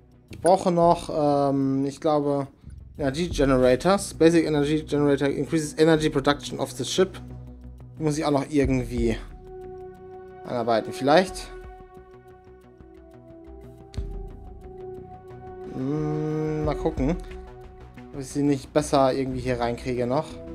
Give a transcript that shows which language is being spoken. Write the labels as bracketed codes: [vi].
[de] Ich brauche noch, ich glaube, Energy Generators. [en] Basic Energy Generator increases energy production of the ship. [de] Muss ich auch noch irgendwie anarbeiten, vielleicht. Mal gucken, ob ich sie nicht besser irgendwie hier reinkriege noch.